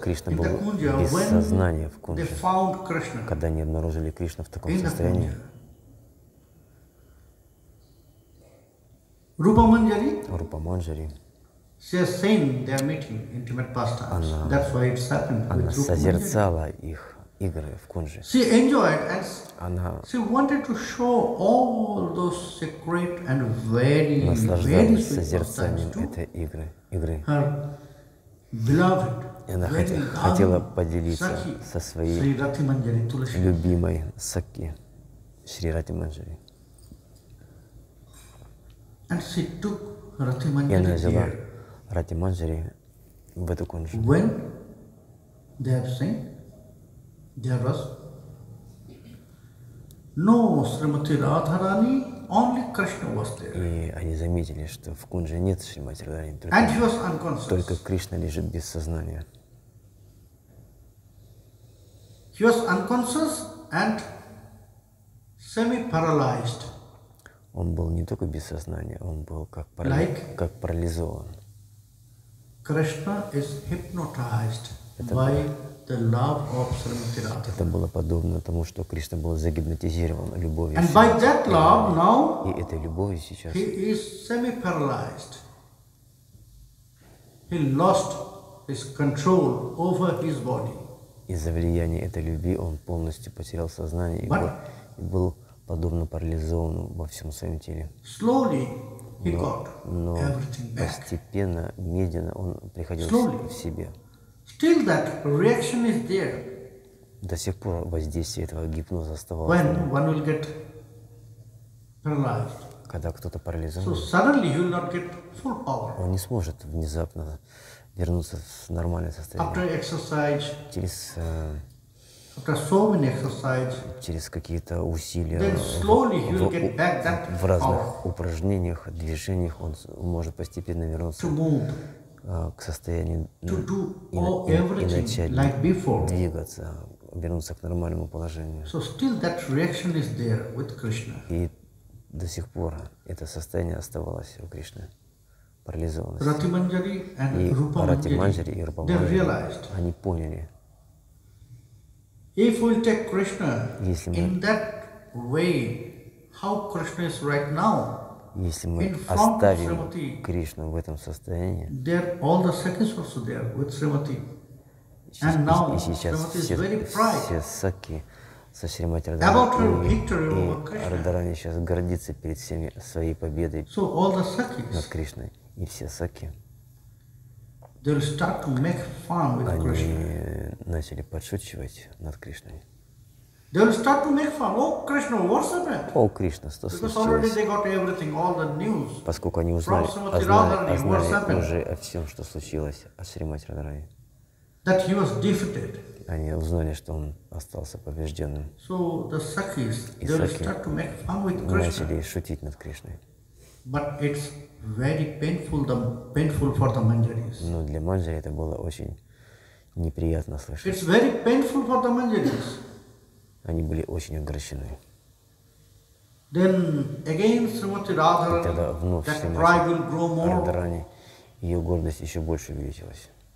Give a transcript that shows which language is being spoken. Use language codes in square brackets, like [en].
[ru] Кришна был без сознания в кунже, когда они обнаружили Кришну в таком состоянии. Рупа Манджари. [en] She has seen their meeting, intimate pastimes. [ru] Она, [en] that's why it's happened with Rupa Manjari. [ru] Она созерцала их игры в кунже. [en] She enjoyed and she wanted to show all those secret and very, very sweet pastimes to her beloved, [ru] хотела поделиться со своей любимой Сакхи, Шри Рати Манджари. [en] And she took Рати Манджари here. [ru] Рати Манджари в эту кунжу. [en] When they have seen, there was no Shrimati Radharani, only Krishna was there. [ru] И они заметили, что в кунже нет Шримати Радхарани, только, [en] and he was unconscious. [ru] Только Кришна лежит без сознания. [en] He was unconscious and semi-paralyzed. [ru] Он был не только без сознания, он был как, как парализован. [en] Krishna is hypnotized by the love of Shrimati Radha. [ru] Это было подобно тому, что Кришна был загипнотизирован любовью. [en] And by that love now, [ru] и этой любовью сейчас, [en] he is semi-paralyzed. He lost his control over his body. [ru] Из-за влияния этой любви он полностью потерял сознание и был подобно парализован во всем своем теле. [en] Slowly. [ru] Но постепенно, медленно он приходил в себе. [en] Still that reaction is there. [ru] До сих пор воздействие этого гипноза оставалось. [en] When one will get paralyzed. [ru] Когда кто-то парализован, [en] so suddenly you will not get full power. [ru] Он не сможет внезапно вернуться в нормальное состояние. [en] After exercise. After so many exercises. [ru] Через какие-то усилия. [en] Then slowly he will get back that power. [ru] В разных упражнениях, движениях он может постепенно вернуться к состоянию и начать [en] like before. [ru] Двигаться, вернуться к нормальному положению. [en] So still that reaction is there with Krishna. [ru] И до сих пор это состояние оставалось у Кришны. Парализованность. Рати Манджари и Рупа Манджари, они поняли. [en] If we take Krishna in that way, how Krishna is right now, [ru] если мы оставим Кришну в этом состоянии, [en] there all the sakhis also there with Shrimati, and now Shrimati is very proud. [ru] Все сакхи со Шримати Радхарани, и Радхарани сейчас гордится перед всеми своей победой над Кришной, и все сакхи. [en] They will start to make fun with [ru] они [en] Krishna. [ru] Начали подшучивать над Кришной. [en] They will start to make fun. Oh, Krishna, what's happened? Oh, Krishna, [ru] что [en] because [ru] случилось? [en] Because already they got everything, all the news. [ru] Поскольку они узнали, узнали уже о всем, что случилось от Шримати Радхарани. [en] That he was defeated. [ru] Они узнали, что он остался побежденным. [en] So the sakhis, they will start to make fun with Krishna. [ru] Начали шутить над Кришной. [en] But it's very painful, painful for the Manjaris. [ru] Но для Манджари это было очень неприятно слышать. [en] It's very painful for the Manjaris. [ru] Они были очень огорчены. [en] Then again, Shrimati Radharani, [ru] и тогда вновь [en] that pride will grow more. [ru] Радхарани, ее гордость еще больше увеличилась.